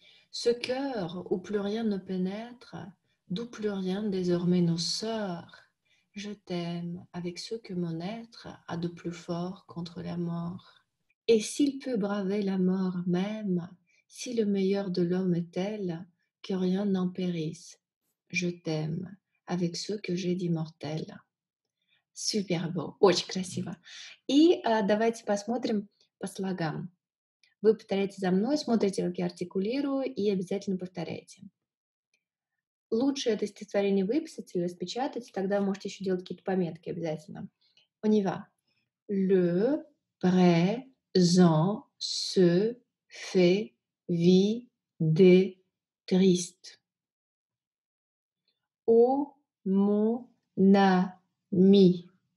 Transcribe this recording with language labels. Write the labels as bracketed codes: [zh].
[fr] Ce cœur où plus rien ne pénètre, d'où plus rien désormais nous sort, je t'aime avec ce que mon être a de plus fort contre la mort. Et s'il peut braver la mort même, si le meilleur de l'homme est tel, que rien n'en périsse, je t'aime avec ce que j'ai d'immortel. Super beau, [ru] очень красиво. И давайте посмотрим по слогам. Вы повторяете за мной, смотрите, как я артикулирую, и обязательно повторяйте. Лучше это стихотворение выписать или распечатать, тогда вы можете еще делать какие-то пометки обязательно. [fr] On y va. Le présent se fait vide triste. Ô mon ami.